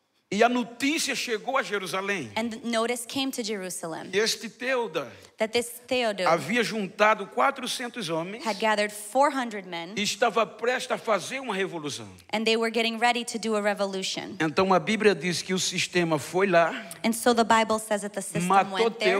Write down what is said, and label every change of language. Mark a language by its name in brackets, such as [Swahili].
[Portuguese] E a notícia chegou a Jerusalém. [English] And the notice came to Jerusalem. [Portuguese] Este Teuda. [English] That this Theudas. [Portuguese] Havia juntado 400 homens. [English] Had gathered 400 men. [Portuguese] E estava prestes a fazer revolução. [English] And they were getting ready to do a revolution. [Portuguese] Então a Bíblia diz que o sistema foi lá. [English] And so the Bible says that the system went there.